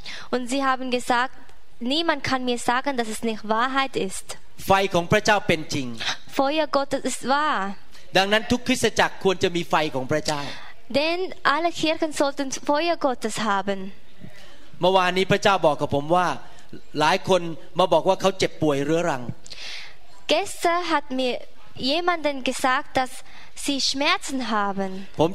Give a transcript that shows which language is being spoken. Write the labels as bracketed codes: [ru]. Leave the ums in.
[de] Und sie haben gesagt, niemand kann mir sagen, dass es nicht Wahrheit ist. [th] ไฟของพระเจ้าเป็นจริง [de] Feuer Gottes ist wahr. [th] ดังนั้นทุกคริสตจักรควรจะมีไฟของพระเจ้า [de] Denn alle Kirchen sollten Feuer Gottes haben. [th] เมื่อวานนี้พระเจ้าบอกกับผมว่าหลายคนมาบอกว่าเขาเจ็บป่วยเรื้อรัง [de] Gestern hat mir jemanden gesagt, dass sie Schmerzen haben.